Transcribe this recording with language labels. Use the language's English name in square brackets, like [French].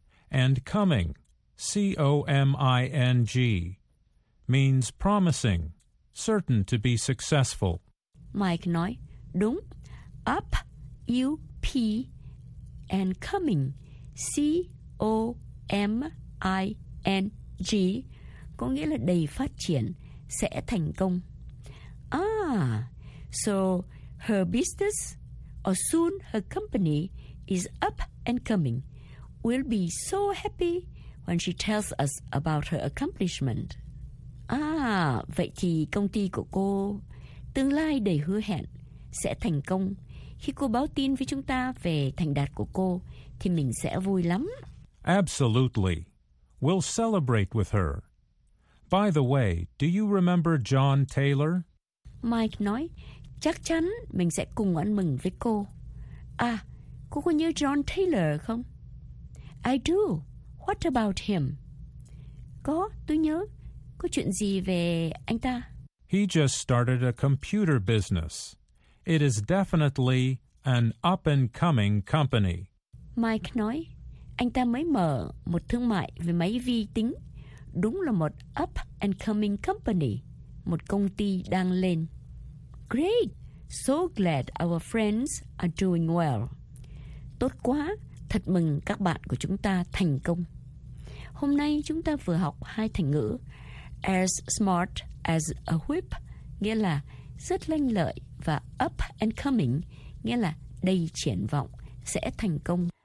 [English] And coming, C-O-M-I-N-G, means promising, certain to be successful. [Vietnamese] Mike nói, đúng. [English] Up, U-P. P and coming, C O M I N G, [Vietnamese] có nghĩa là đầy phát triển, sẽ thành công. [English] Ah, so her business, or soon her company, is up and coming. We'll be so happy when she tells us about her accomplishment. [Vietnamese] Ah, vậy thì công ty của cô, tương lai đầy hứa hẹn, sẽ thành công. Khi cô báo tin với chúng ta về thành đạt của cô, thì mình sẽ vui lắm. [English] Absolutely. We'll celebrate with her. By the way, do you remember John Taylor? [Vietnamese] Mike nói, chắc chắn mình sẽ cùng ăn mừng với cô. À, cô có nhớ John Taylor không? [English] I do. What about him? [Vietnamese] Có, tôi nhớ. Có chuyện gì về anh ta? [English] He just started a computer business. It is definitely an up-and-coming company. [Vietnamese] Mike nói, anh ta mới mở một thương mại về máy vi tính. Đúng là một [English] up-and-coming company, [Vietnamese] một công ty đang lên. [English] Great! So glad our friends are doing well. [Vietnamese] Tốt quá! Thật mừng các bạn của chúng ta thành công. Hôm nay chúng ta vừa học hai thành ngữ. [English] As smart as a whip, [Vietnamese] nghĩa là rất lanh lợi. Và [English] up and coming, [Vietnamese] nghĩa là đầy triển vọng, sẽ thành công.